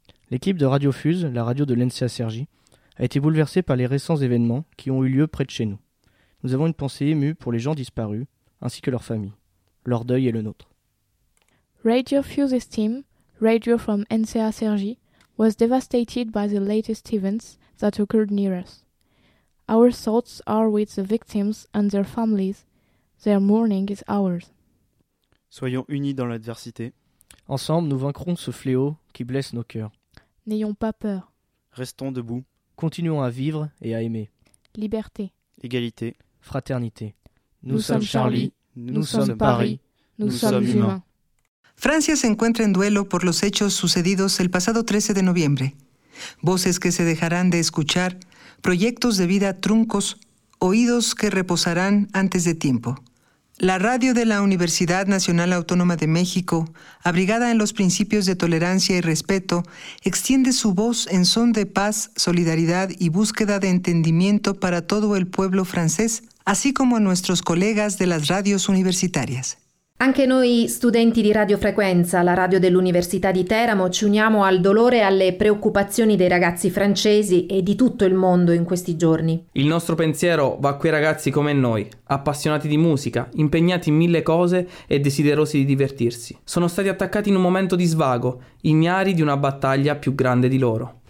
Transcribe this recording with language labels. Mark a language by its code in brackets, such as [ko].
[fr] L'équipe de Radio Fuse, la radio de l'ENSEA Cergy, a été bouleversée par les récents événements qui ont eu lieu près de chez nous. Nous avons une pensée émue pour les gens disparus, ainsi que leurs familles. Leur deuil est le nôtre. [en] Radio Fuse's team, radio from ENSEA Cergy, was devastated by the latest events that occurred near us. Our thoughts are with the victims and their families. Their mourning is ours. [fr] Soyons unis dans l'adversité. Ensemble, nous vaincrons ce fléau qui blesse nos cœurs. N'ayons pas peur. Restons debout. Continuons à vivre et à aimer. Liberté. Égalité. Fraternité. Nous sommes Charlie. Nous sommes Paris. Nous sommes humains. [es] Francia se encuentra en duelo por los hechos sucedidos el pasado 13 de noviembre. Voces que se dejarán de escuchar, proyectos de vida truncos, oídos que reposarán antes de tiempo. La radio de la Universidad Nacional Autónoma de México, abrigada en los principios de tolerancia y respeto, extiende su voz en son de paz, solidaridad y búsqueda de entendimiento para todo el pueblo francés, así como a nuestros colegas de las radios universitarias. [it] Anche noi studenti di radiofrequenza, la radio dell'Università di Teramo, ci uniamo al dolore e alle preoccupazioni dei ragazzi francesi e di tutto il mondo in questi giorni. Il nostro pensiero va a quei ragazzi come noi, appassionati di musica, impegnati in mille cose e desiderosi di divertirsi. Sono stati attaccati in un momento di svago, ignari di una battaglia più grande di loro.